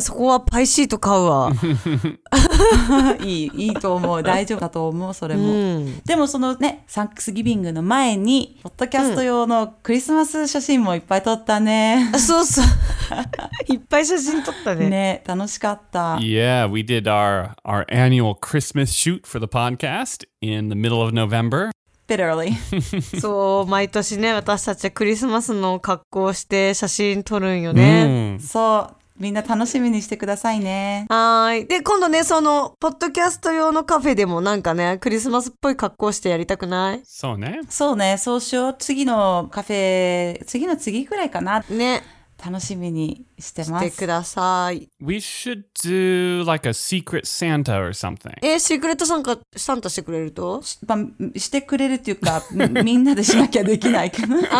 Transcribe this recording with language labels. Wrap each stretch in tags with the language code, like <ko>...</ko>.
<ja>そこはパイシート買うわ。いいと思う。大丈夫だと思う、それも。うん、でも、そのね、サンクスギビングの前に、ポッドキャスト用のクリスマス写真もいっぱい撮ったね。うん、そうそう。いっぱい写真撮ったね。ね、楽しかった。</ja> <en>Yeah, we did our annual Christmas shoot for the podcast in the middle of November. Bit early.</en> <ja>そう毎年ね私たちはクリスマスの格好をして写真撮るんよね、mm. そうみんな楽しみにしてくださいねはいで今度ねそのポッドキャスト用のカフェでもなんかねクリスマスっぽい格好してやりたくないそうねそうねそうしよう次のカフェ次の次くらいかなね楽しみにしてます。してください。</ja> <en>We should do like a secret Santa or something.</en> <ja>シークレットサンタ、サンタしてくれると？まあ、してくれるっていうか、みんなでしなきゃできないかな。</ja>